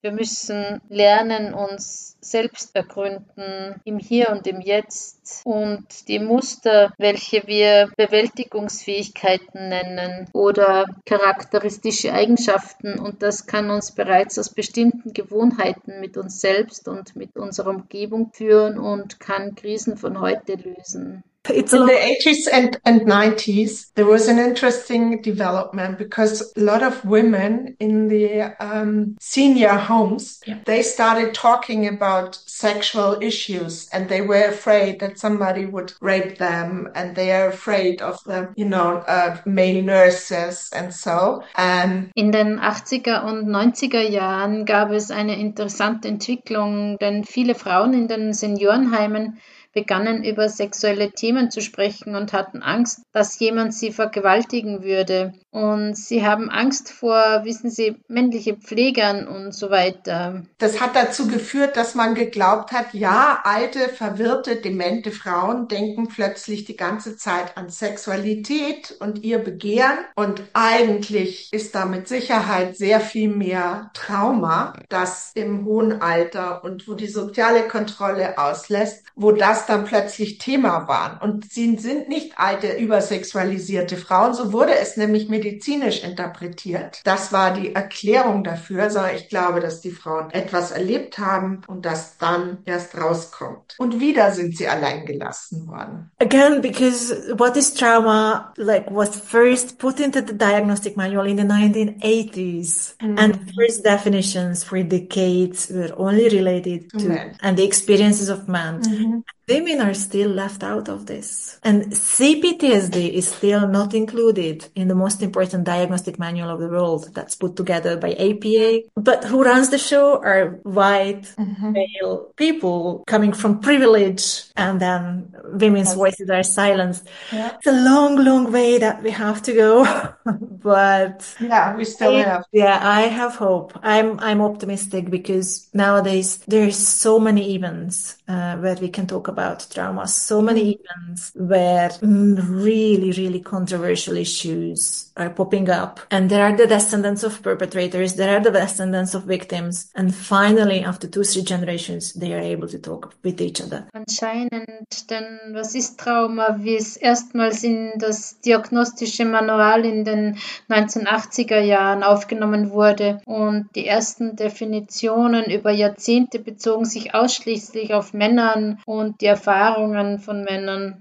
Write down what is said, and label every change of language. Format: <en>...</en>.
<de>Wir müssen lernen, uns selbst ergründen im Hier und im Jetzt und die Muster, welche wir Bewältigungsfähigkeiten nennen oder charakteristische Eigenschaften und das kann uns bereits aus bestimmten Gewohnheiten mit uns selbst und mit unserer Umgebung führen und kann Krisen von heute lösen.</de> <en>It's in the 80s and 90s, there was an interesting development because a lot of women in the senior homes, yeah, they started talking about sexual issues and they were afraid that somebody would rape them and they are afraid of the, you know, male nurses and so. And</en> <de>in den 80er und 90er Jahren gab es eine interessante Entwicklung, denn viele Frauen in den Seniorenheimen begannen über sexuelle Themen zu sprechen und hatten Angst, dass jemand sie vergewaltigen würde. Und sie haben Angst vor, wissen Sie, männlichen Pflegern und so weiter. Das hat dazu geführt, dass man geglaubt hat, ja, alte, verwirrte, demente Frauen denken plötzlich die ganze Zeit an Sexualität und ihr Begehren. Und eigentlich ist da mit Sicherheit sehr viel mehr Trauma, das im hohen Alter und wo die soziale Kontrolle auslässt, wo das dann plötzlich Thema waren. Und sie sind nicht alte, übersexualisierte Frauen. So wurde es nämlich medizinisch interpretiert. Das war die Erklärung dafür. Also ich glaube, dass die Frauen etwas erlebt haben und das dann erst rauskommt. Und wieder sind sie allein gelassen worden.</de> <en>Again, because what is trauma, like, was first put into the diagnostic manual in the 1980s. Mm-hmm. And first definitions for decades were only related to men and the experiences of men. Mm-hmm. Women are still left out of this. And CPTSD is still not included in the most important diagnostic manual of the world that's put together by APA. But who runs the show are white, mm-hmm, male people coming from privilege, and then women's voices are silenced. Yeah. It's a long, long way that we have to go. But yeah, we still have. Yeah, I have hope. I'm optimistic because nowadays there are so many events where we can talk about trauma, so many events where really, really controversial issues are popping up. And there are the descendants of perpetrators, there are the descendants of victims. And finally, after 2-3 generations, they are able to talk with each other.</en> <de>Anscheinend, denn was ist Trauma, wie es erstmals in das diagnostische Manual in den 1980er Jahren aufgenommen wurde. Und die ersten Definitionen über Jahrzehnte bezogen sich ausschließlich auf Männern und die Erfahrungen von Männern.</de>